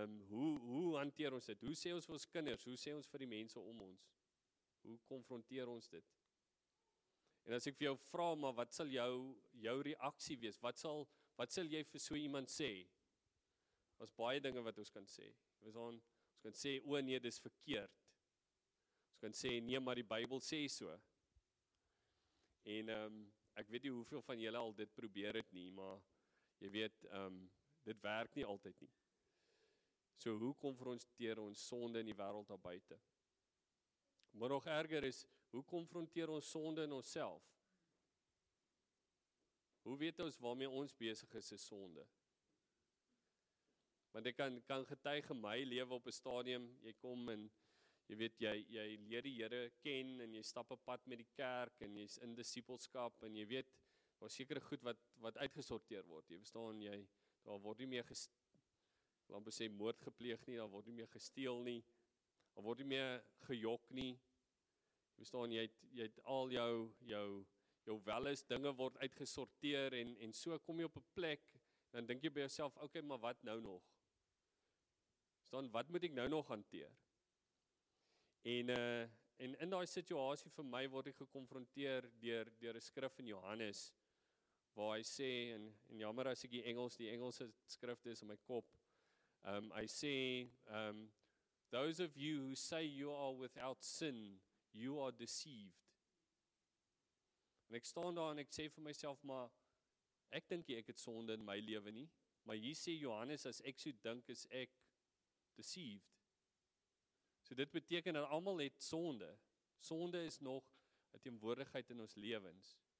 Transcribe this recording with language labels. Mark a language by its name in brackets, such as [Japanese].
[Afrikaans] Hoe hanteer ons dit? Hoe sê ons vir ons kinders? Hoe sê ons vir die mense om ons? Hoe konfronteer ons dit? En as ek vir jou vra, maar wat sal jou reaksie wees? Wat sal jy vir so iemand sê? Daar's baie dinge wat ons kan sê. Ons kan sê, o nee, dis verkeerd. Ons kan sê, nee, maar die Bybel sê so. En ek weet nie hoeveel van julle al dit probeer het nie, maar jy weet, dit werk nie altyd nie. So hoe konfronteer ons sonde in die wêreld daar buite? Maar nog erger is, hoe konfronteer ons sonde in onsself? Hoe weet ons waarmee ons besig is met sonde? Want ek kan getuig in my lewe op 'n stadium, jy kom en jy weet, jy leer die Here ken en jy stap 'n pad met die kerk en jy's in disipelskap en jy weet, daar is sekere goed wat uitgesorteer word. Jy verstaan, jy daar word nie meer laat ons sê moord gepleeg nie, daar word nie meer gesteel nie. Daar word nie meer gejok nie. Jy verstaan, jy het al jou welis dinge word uitgesorteer en so kom jy op 'n plek en dan dink jy by jouself, okay, maar wat nou nog? Staan, wat moet ek nou nog hanteer? En in daai situasie vir my word ek gekonfronteer deur 'n skrif in Johannes waar hy sê en jammer as ek die Engelse skrifte is in my kop. [English] I say, those of you who say you are without sin, you are deceived. [Afrikaans] En ek staan daar en ek sê vir myself, maar ek dink ek het sonde in my lewe nie. Maar hier sê Johannes, as ek so dink, is ek deceived. So dit beteken dat almal het sonde. Sonde is nog 'n teenwoordigheid in ons lewens.